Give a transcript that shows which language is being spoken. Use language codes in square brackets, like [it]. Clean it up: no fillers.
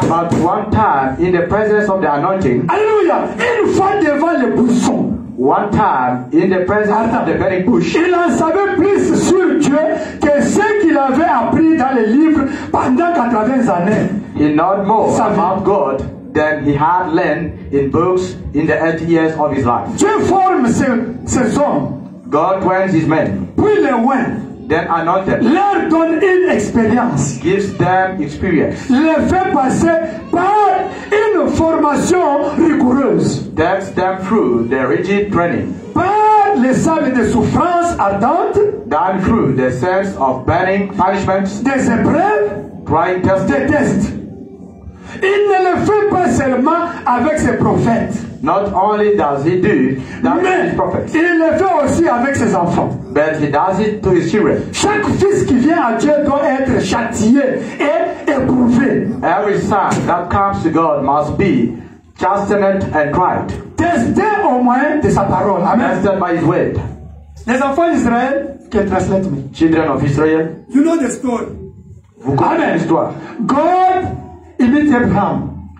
[en] But one time in the presence of the anointing. [fr] Alléluia. Une fois devant le buisson. [en] One time in the presence of the burning bush. [fr] Il en savait plus sur Dieu que ce qu'il avait appris dans les livres pendant 80 années. [en] He knew more about God than he had learned in books in the 80 years of his life. [fr] Dieu forme ses hommes. [en] God trains his men. [fr] Puis les oint. [en] Then anointed. [fr] Leur donne une expérience. [en] Gives them experience. [fr] Les fait passer par une formation rigoureuse. [en] Takes them through the rigid training. [fr] Par les salles de souffrance ardentes. [en] Down through the sense of burning punishments. [fr] Des épreuves. [en] Trying tests. [fr] Des tests. Il ne le fait pas seulement avec ses prophètes. [en] Not only does he do that with his prophets. [fr] Il le fait aussi avec ses enfants. [en] But he does it to his children. [fr] Chaque fils qui vient à Dieu doit être châtié et éprouvé. [en] Every son that comes to God must be chastened and tried. [fr] Testé au moyen de sa parole. Amen. [en] Tested by his word. [fr] Les enfants d'Israël, [en] can translate me. Children of Israel. You know the story. [fr] Vous connaissez l'histoire. [en] God imit Abraham.